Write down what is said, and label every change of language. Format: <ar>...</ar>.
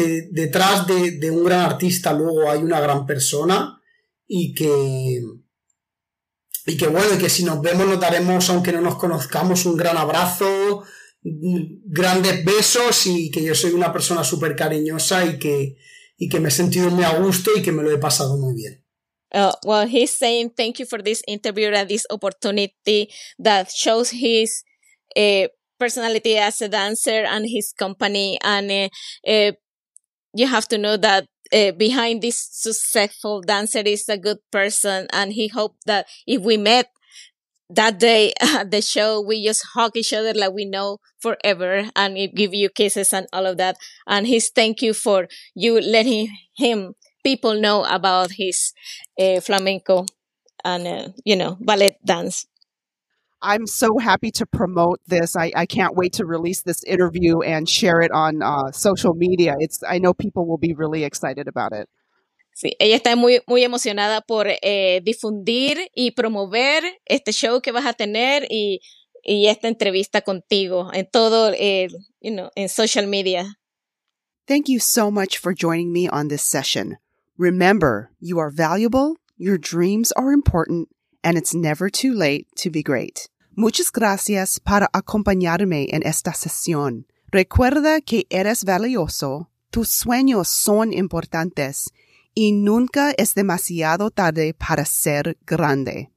<es>detrás de un gran artista luego hay una gran persona y que bueno, y que si nos vemos nos daremos, aunque no nos conozcamos, un gran abrazo, grandes besos, y que yo soy una persona súper cariñosa y que me he sentido muy a gusto y que me lo he pasado muy bien.</es> <en>Well, he's saying thank you for this interview and this opportunity that shows his personality as a dancer and his company. And you have to know that behind this successful dancer is a good person. And he hoped that if we met that day at the show, we just hug each other like we know forever and give you kisses and all of that. And he's thank you for you letting him people know about his flamenco and, ballet dance. I'm so happy to promote this. I can't wait to release this interview and share it on social media. I know people will be really excited about it.</en> <es>Sí, ella está muy, muy emocionada por difundir y promover este show que vas a tener y esta entrevista contigo en todo, en social media.</es> <en>Thank you so much for joining me on this session. Remember, you are valuable, your dreams are important, and it's never too late to be great.</en> <es>Muchas gracias para acompañarme en esta sesión. Recuerda que eres valioso, tus sueños son importantes, y nunca es demasiado tarde para ser grande.</es>